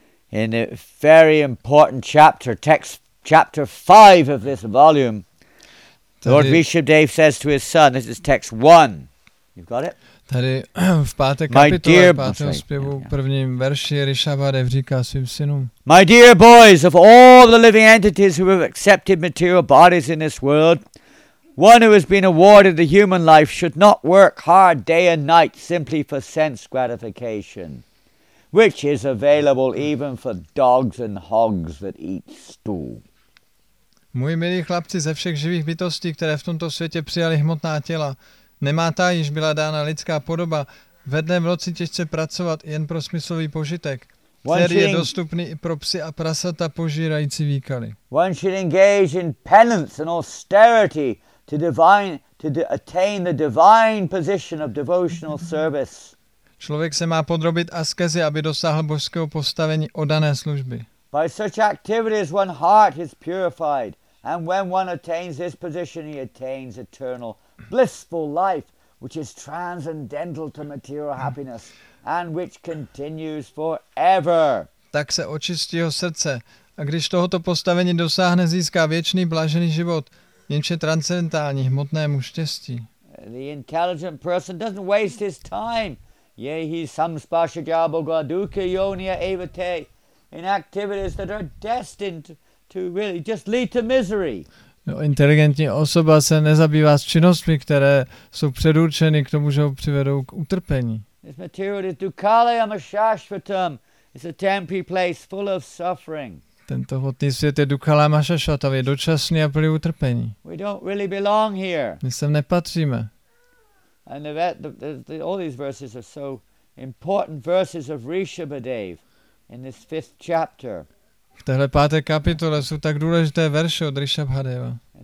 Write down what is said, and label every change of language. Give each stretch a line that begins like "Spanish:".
English: In a very important chapter, text chapter 5 of this volume, Lord Rishabdev says to his son, this is text 1. You've got it?
Czech: Tady v páté kapitole, v pátém zpěvu, prvním verši, Rishabhadev říká svým synům.
English: My dear boys, of all the living entities who have accepted material bodies in this world, one who has been awarded the human life should not work hard day and night simply for sense gratification, which is available even for dogs and hogs that eat stool.
Czech: Můj milí chlapci, ze všech živých bytostí, které v tomto světě přijali hmotná těla, nemá ta již byla dána lidská podoba ve dne v noci těžce pracovat jen pro smyslový požitek, který je dostupný i pro psy a prasata požírající výkaly.
English: One should engage in penance and austerity to attain the divine position of devotional service.
Czech: Člověk se má podrobit askezi, aby dosáhl božského postavení oddané služby.
English: By such activities one heart is purified, and when one attains this position he attains eternal blissful life, which is transcendental to material happiness and which continues forever.
Czech: Tak se očistí jeho srdce, a když tohoto postavení dosáhne, získá věčný blažený život, jenž je transcendentální hmotnému štěstí.
English: The intelligent person doesn't waste his time.
Sanskrit: Yehi samspasha jabogva dukha yonia evate,
English: in activities that are destined to really just lead to misery.
Czech: No, inteligentní osoba se nezabývá s činnostmi, které jsou předurčeny k tomu, že ho přivedou k utrpení.
English: This material is
Sanskrit: dukalayam ashashvatam.
English: It's a temporary place full of suffering.
Czech: Tento hmotný svět je
Sanskrit: dukalayam ashashvatam,
Czech: je dočasný a plný utrpení.
English: We don't really belong here.
Czech: My sem nepatříme.
English: And all these verses are so important verses of Rishabhadev in this fifth chapter.
Czech: V téhle páté kapitole jsou tak důležité verše od Rishabhadeva.